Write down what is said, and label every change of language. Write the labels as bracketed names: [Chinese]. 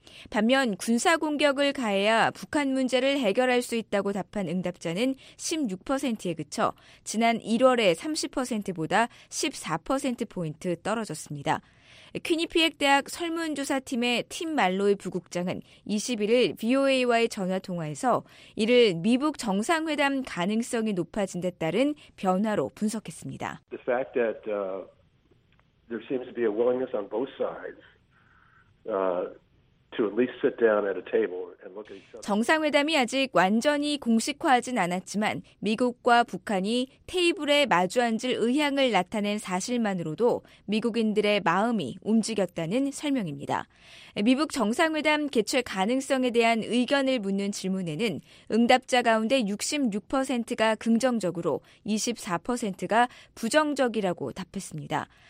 [Korean] 반면 군사 공격을 가해야 북한 문제를 해결할 수 있다고 답한 응답자는 16%에 그쳐 지난 1월의 30%보다 14%포인트 떨어졌습니다. 퀴니피엑 대학 설문조사팀의 팀 말로이 부국장은 21일 VOA와의 전화통화에서 이를 미북 정상회담 가능성이 높아진 데 따른 변화로 분석했습니다. [English] The fact that there seems to be a willingness on both sides to at least sit down at a table and look at each other. [Korean] 정상회담이 아직 완전히 공식화하진 않았지만 미국과 북한이 테이블에 마주 앉을 의향을 나타낸 사실만으로도 미국인들의 마음이 움직였다는 설명입니다. 미북 정상회담 개최 가능성에 대한 의견을 묻는 질문에는 응답자 가운데 66%가 긍정적으로 24%가 부정적이라고 답했습니다.